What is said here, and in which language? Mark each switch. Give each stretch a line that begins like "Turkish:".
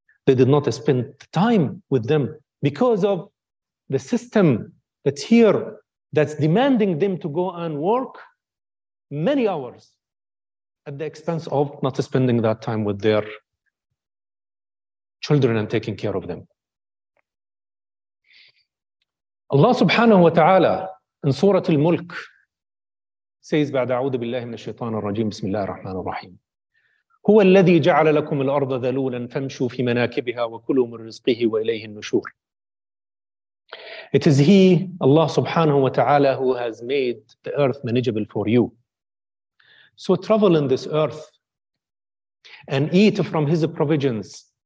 English: They did not spend time with them because of the system that's here that's demanding them to go and work many hours at the expense of not spending that time with their children and taking care of them. Allah subhanahu wa ta'ala in Surah Al-Mulk says,
Arabic: بعد أعوذ بالله من الشيطان الرجيم بسم الله الرحمن الرحيم هو الذي جعل لكم الأرض ذلولا فامشوا في مناكبها وكلوا من رزقه وإليه النشور.
English: It is He, Allah subhanahu wa ta'ala, who has made the earth manageable for you. So travel in this earth and eat from His provisions.